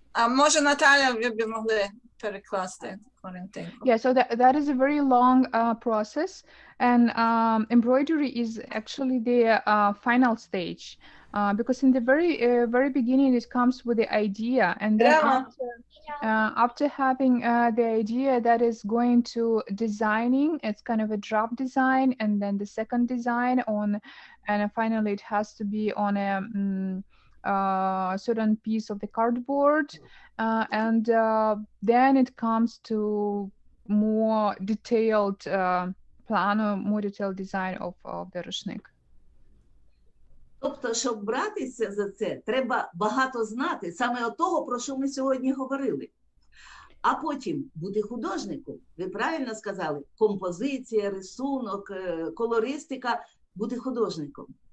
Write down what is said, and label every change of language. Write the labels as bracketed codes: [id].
[uk] Може Наталя, ви б могли перекласти? [en] Yeah, so that is a very long process. And embroidery is actually the final stage. Because in the very very beginning, it comes with the idea, and then after having the idea, that is going to designing. It's kind of a draft design, and then the second design on, and finally it has to be on a certain piece of the cardboard, and then it comes to more detailed plan or more detailed design of the rushnik. [uk] Тобто, щоб братися за це, треба багато знати, саме от того, про що ми сьогодні говорили. А потім бути художником, ви правильно сказали, композиція, рисунок, колористика, бути художником.